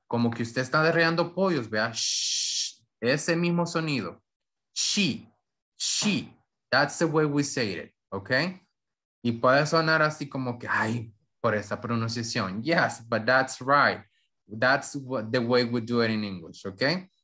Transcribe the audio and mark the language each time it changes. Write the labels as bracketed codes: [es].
[es] Como que usted está derreando pollos, vea, shh, ese mismo sonido. [en] She, she, that's the way we say it, okay? [es] Y puede sonar así como que, ay, por esa pronunciación. [en] Yes, but that's right. That's what, the way we do it in English, okay?